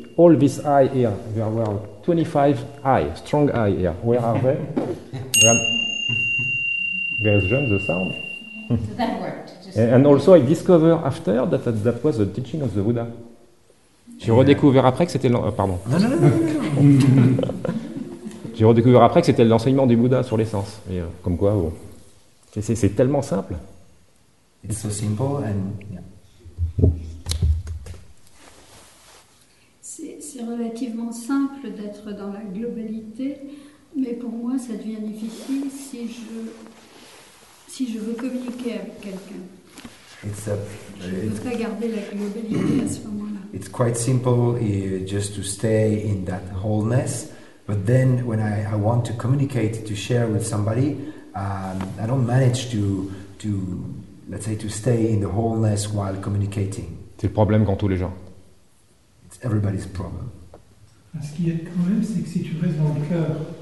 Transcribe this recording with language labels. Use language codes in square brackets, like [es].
[en] All this eye here, there were 25 eye, strong eye here. Where are they? There's just the sound. So that worked. And also I discovered after that was the teaching of the Buddha. [fr] J'ai redécouvert après que c'était l'enseignement du Bouddha sur les sens. Et comme quoi, bon. C'est tellement simple. [en] It's so simple and... Yeah. [fr] simple d'être dans la globalité, mais pour moi ça devient difficile si je veux communiquer avec quelqu'un. [en] It's quite simple just to stay in that wholeness, but then when I want to communicate, to share with somebody, I don't manage to let's say to stay in the wholeness while communicating. [fr] C'est le problème quand tous les gens. [en] It's everybody's problem. [fr] Ce qui est quand même, c'est que si tu restes dans le cœur,